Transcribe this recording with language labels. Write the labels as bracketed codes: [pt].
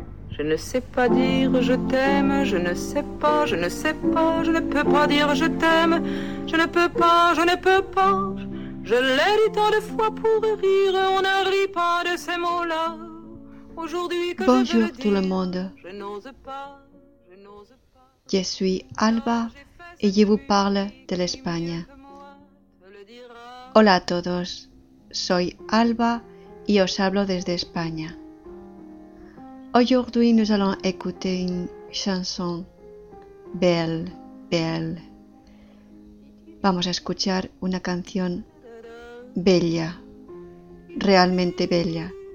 [fr] Je ne sais pas dire je t'aime, je ne sais pas, je ne sais pas, je ne peux pas dire je t'aime, je ne peux pas, je ne peux pas. Je l'ai dit tant de fois pour rire, on ne rit pas de ces mots-là. Aujourd'hui que bonjour je veux tout dire, le monde. Je n'ose pas, je n'ose pas. Je suis Alba et je vous parle de l'Espagne. [es] Hola a todos, soy Alba y os hablo desde España. [fr] Aujourd'hui, nous allons écouter une chanson belle, belle. [es] Vamos a escuchar una canción bella, realmente bella.